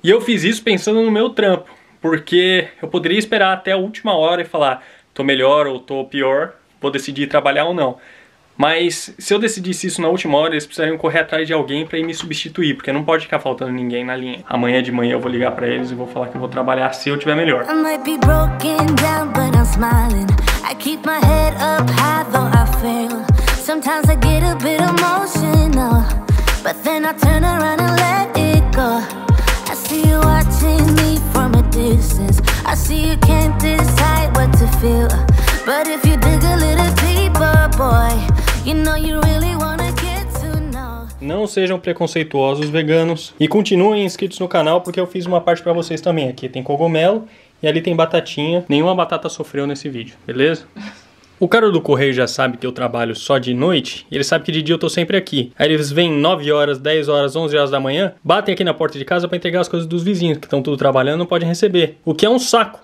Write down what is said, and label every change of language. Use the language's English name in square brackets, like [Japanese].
[Portuguese] E eu fiz isso pensando no meu trampo, porque eu poderia esperar até a última hora e falar, tô melhor ou tô pior, vou decidir trabalhar ou não. Mas se eu decidisse isso na última hora, eles precisariam correr atrás de alguém pra ir me substituir, porque não pode ficar faltando ninguém na linha. Amanhã de manhã eu vou ligar pra eles e vou falar que eu vou trabalhar se eu tiver melhor. [English] I might be broken down, but I'm smiling. I keep my head up high though I fail. Sometimes I get a bit emotional, but then I turn around and let it go. I see you watching me from a distance. I see you can't decide what to feel. But if you dig a little deeper, boy, you know you really wanna get to know. [Portuguese] Não sejam preconceituosos, veganos. E continuem inscritos no canal, porque eu fiz uma parte pra vocês também. Aqui tem cogumelo e ali tem batatinha. Nenhuma batata sofreu nesse vídeo, beleza? O cara do correio já sabe que eu trabalho só de noite, e ele sabe que de dia eu tô sempre aqui. Aí eles vêm 9 horas, 10 horas, 11 horas da manhã, batem aqui na porta de casa pra entregar as coisas dos vizinhos, que estão tudo trabalhando e não podem receber. O que é um saco.